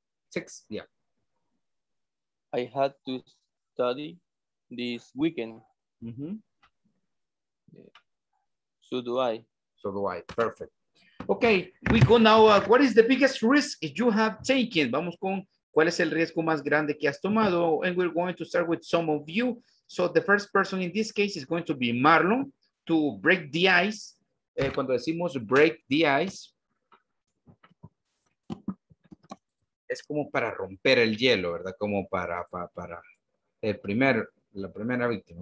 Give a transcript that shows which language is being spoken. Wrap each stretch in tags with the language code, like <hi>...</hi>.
<en>Six, yeah. I had to study this weekend. Mm-hmm. So do I. So do I, perfect. Okay, we go now, what is the biggest risk you have taken?</en> <es>Vamos con, ¿cuál es el riesgo más grande que has tomado?</es> <en>And we're going to start with some of you. So the first person in this case is going to be Marlon to break the ice.</en> <es>Cuando decimos</es> <en>break the ice,</en> <es>es como para romper el hielo, ¿verdad? Como para el primer, la primera víctima.</es>